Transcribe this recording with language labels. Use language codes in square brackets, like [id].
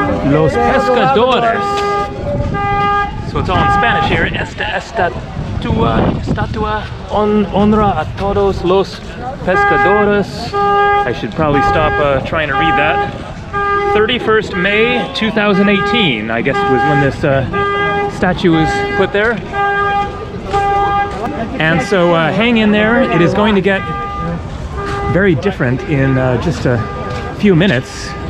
[es] Los pescadores. [en] So it's all in Spanish here. [es] Esta estatua honra a todos los pescadores. [en] I should probably stop trying to read that. 31st May 2018, I guess, was when this statue was put there. And so hang in there. It is going to get very different in just a few minutes.